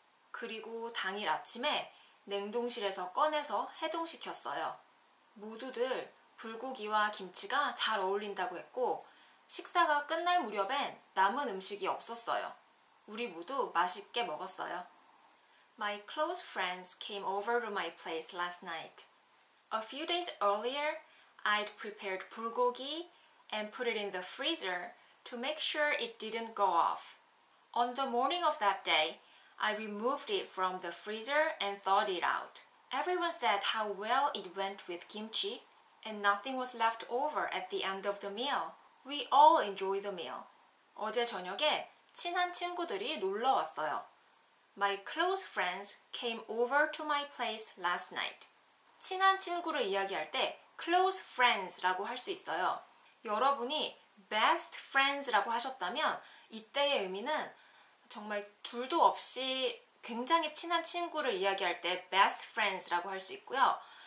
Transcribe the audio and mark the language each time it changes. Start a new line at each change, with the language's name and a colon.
Korean: 그리고 당일 아침에 냉동실에서 꺼내서 해동시켰어요. 모두들 불고기와 김치가 잘 어울린다고 했고 식사가 끝날 무렵엔 남은 음식이 없었어요. 우리 모두 맛있게 먹었어요.
English: My close friends came over to my place last night. A few days earlier, I'd prepared bulgogi and put it in the freezer to make sure it didn't go off. On the morning of that day, I removed it from the freezer and thawed it out. Everyone said how well it went with kimchi, and nothing was left over at the end of the meal. We all enjoy the meal.
Korean: 어제 저녁에 친한 친구들이 놀러 왔어요.
English: My close friends came over to my place last night.
Korean: 친한 친구를 이야기할 때
English: close friends
Korean: 라고 할 수 있어요. 여러분이
English: best friends
Korean: 라고 하셨다면 이때의 의미는 정말 둘도 없이 굉장히 친한 친구를 이야기할 때 best friends라고 할 수 있고요.